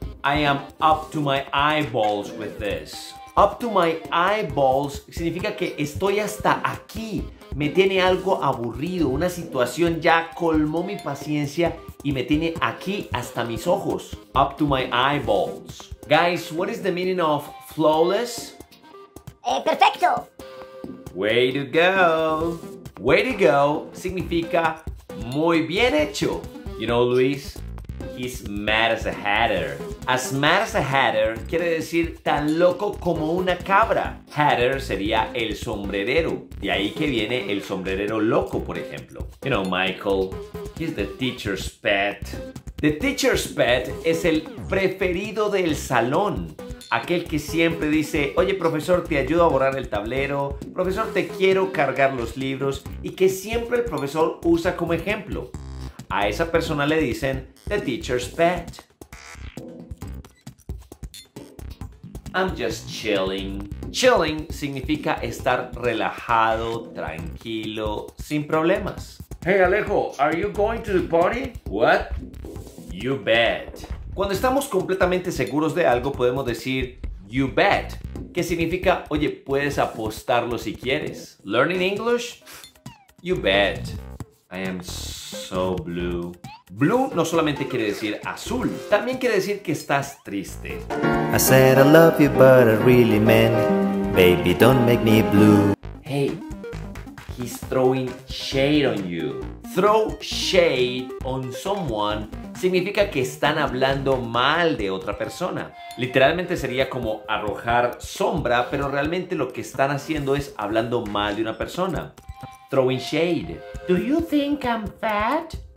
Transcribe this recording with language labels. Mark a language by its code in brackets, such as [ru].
[en] I am up to my eyeballs with this. [es] Up to my eyeballs significa que estoy hasta aquí. Me tiene algo aburrido. Una situación ya colmó mi paciencia y me tiene aquí hasta mis ojos. [en] Up to my eyeballs. Guys, what is the meaning of flawless? [es] Perfecto. [en] Way to go. [es] Way to go significa muy bien hecho. [en] You know, Luis, he's mad as a hatter. [es] As mad as a hatter quiere decir tan loco como una cabra. Hatter sería el sombrerero. De ahí que viene el sombrerero loco, por ejemplo. [en] You know, Michael, he's the teacher's pet. [es] The teacher's pet es el preferido del salón. Aquel que siempre dice, oye, profesor, te ayudo a borrar el tablero. Profesor, te quiero cargar los libros. Y que siempre el profesor usa como ejemplo. A esa persona le dicen the teacher's pet. [en] I'm just chilling. [es] Chilling significa estar relajado, tranquilo, sin problemas. [en] Hey Alejo, are you going to the party? What? You bet. [es] Cuando estamos completamente seguros de algo, podemos decir you bet, que significa, oye, puedes apostarlo si quieres. [en] Learning English? You bet. I am so blue. [es] Blue no solamente quiere decir azul, también quiere decir que estás triste. [en] I said I love you, but I really meant it. Baby, don't make me blue. Hey, he's throwing shade on you. Throw shade on someone [es] significa que están hablando mal de otra persona. Literalmente sería como arrojar sombra, pero realmente lo que están haciendo es hablando mal de una persona. [en] Throwing shade. Do you think I'm fat?